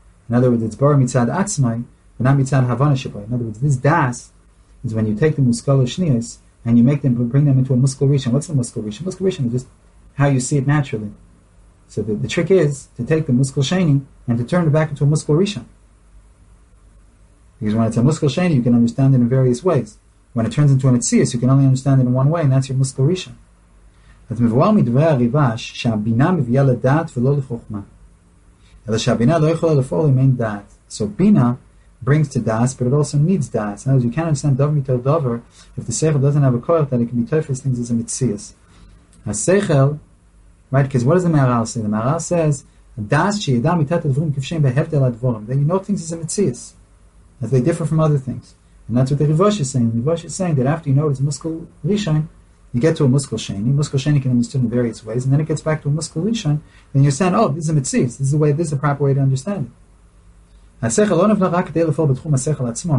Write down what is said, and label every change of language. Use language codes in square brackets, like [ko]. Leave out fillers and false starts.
[en] In other words, it's bar mitzad atzmai, but not mitzad havana shebo. In other words, this das is when you take the muskal shnias and you make them, bring them into a muskal rishon. What's the muskal rishon? Muskal rishon is just how you see it naturally. So the trick is to take the muskal sheni and to turn it back into a muskal rishon. Because when it's a muskal sheni, you can understand it in various ways. When it turns into a mitzias, you can only understand it in one way, and that's your muskal rishon. [he] אז מבואר מדברי הריבש שהבינה מביאה לדעת ולא לחוכמה. אלא שהבינה לא יכולה לפעול אם אין דעת. [en] So bina brings to das, but it also needs das. In other words, you can't understand dover mitel dover if the seichel doesn't have a koyach that it can be tofes things as a mitzias. הסייכל, right, because what does the Ma'aral say? The Ma'aral says, [he] das שידע מיתת הדבורים כפשיים בהבדל הדבורים. [en] Then you know things as a mitzias, as they differ from other things. And that's what the Rivosh is saying. The Rivosh is saying that after you know it's muskal rishon, you get to a muskal sheni. Muskal sheni can be understood in various ways, and then it gets back to a muskal rishon. Then you understand, oh, this is a mitzvah. This is the way. This is the proper way to understand it. [he] Hasechel onav la rak deilufol b'tchum hasechel atzmo.